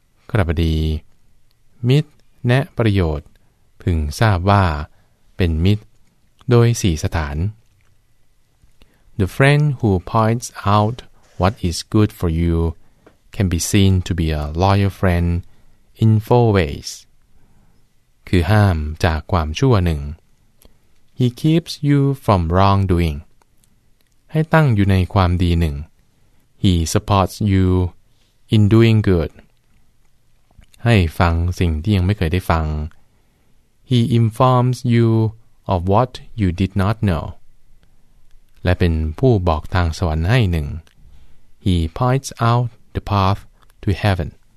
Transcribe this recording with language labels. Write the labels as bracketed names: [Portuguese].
[Thai] กระบดีมิตรแนะประโยชน์พึงทราบว่าเป็นมิตรโดยสี่สถาน [English] The friend who points out what is good for you can be seen to be a loyal friend in four ways [Thai] คือห้ามจากความชั่วหนึ่ง [English] He keeps you from wrongdoing. [Thai] ให้ตั้งอยู่ในความดีหนึ่ง [English] He supports you in doing good. [Thai] ให้ฟังสิ่งที่ยังไม่เคยได้ฟัง [English] He informs you of what you did not know. [Thai] และเป็นผู้บอกทางสวรรค์ให้หนึ่ง [English] He points out the path to heaven.